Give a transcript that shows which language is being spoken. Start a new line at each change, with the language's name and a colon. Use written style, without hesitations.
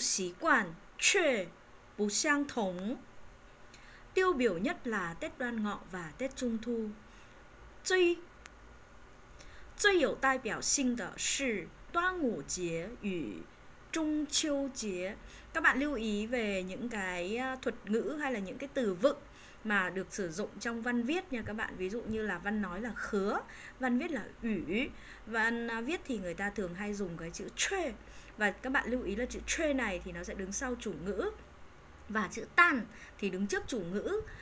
Chinese: 意义与风俗习惯却不相同.
Vietnamese: Tiêu biểu nhất là Tết Đoan Ngọ và Tết Trung Thu.
Chinese: 最有代表性的是端午节与中秋节.
Vietnamese: Các bạn lưu ý về những cái thuật ngữ hay là những cái từ vựng mà được sử dụng trong văn viết nha các bạn. Ví dụ như là văn nói là khứa, văn viết là ủ, văn viết thì người ta thường hay dùng cái chữ chê. Và các bạn lưu ý là chữ chê này thì nó sẽ đứng sau chủ ngữ, và chữ tan thì đứng trước chủ ngữ.